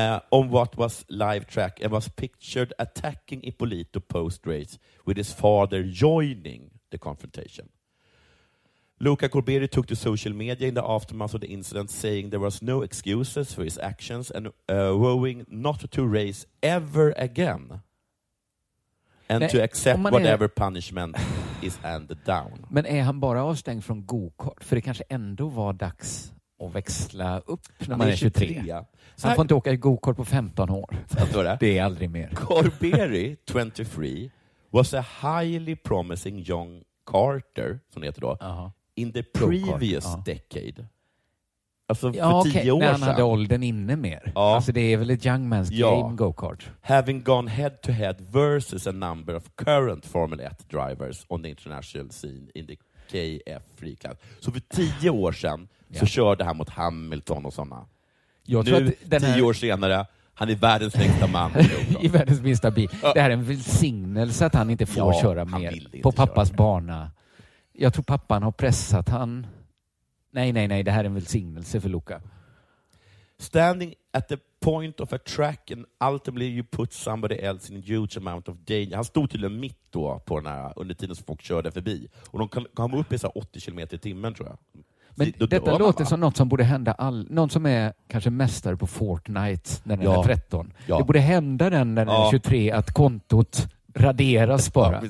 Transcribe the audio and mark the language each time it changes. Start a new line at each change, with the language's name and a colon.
English: On what was live track and was pictured attacking Ippolito post-race with his father joining the confrontation. Luca Corberi took to social media in the aftermath of the incident saying there was no excuses for his actions and vowing not to race ever again. And to accept whatever punishment is handed down.
Swedish: Men är han bara avstängd från go-kart? För det kanske ändå var dags att växla upp när man är 23. Så han får inte åka i go-kart på 15 år. Det är aldrig mer.
English: Corberi, 23, was a highly promising young Carter,
Swedish: som heter då,
English: in the previous decade.
Swedish: Alltså för 10 år sedan. När han hade åldern inne mer. Ja. Alltså det är väl ett
English: young man's game
Swedish: go-kart.
English: Having gone head-to-head versus a number of current Formula 1 drivers on the international scene in the KF-free class.
Swedish: Så för 10 år sedan så körde han mot Hamilton och sådana. Jag nu, 10 år senare, han är världens längsta man. I världens minsta bil. Det här är en välsignelse att han inte får köra mer på pappas bana. Jag tror pappan har pressat han. Nej, det här är en välsignelse för Luca.
English: Standing at the point of a track and ultimately you put somebody else in a huge amount of danger.
Swedish: Han stod tydligen mitt då på den här, under tiden som folk körde förbi. Och de kom upp i så 80 km i timmen tror jag. Men detta låter som något som borde hända någon som är kanske mästare på Fortnite när den är 13. Ja. Det borde hända den när den är 23 att kontot raderas bara.